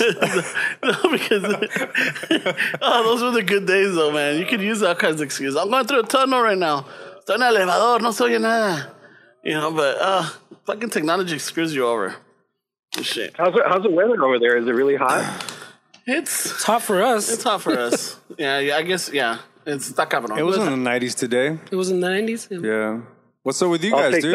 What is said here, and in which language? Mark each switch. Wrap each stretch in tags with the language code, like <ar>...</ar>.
<en>No, because oh, those were the good days, though, man. You could use that kind of excuse. I'm going through a tunnel right now.</en> <es>Estoy en el elevador, no se oye nada.</es> <en>You know, but fucking technology screws you over. Shit. How's the weather over there? Is it really hot? It's hot for us. It's hot for us. Yeah, I guess, yeah. It's not coming on. It was in the 90s today. It was in the 90s? Yeah. What's up with you guys, dude?</en>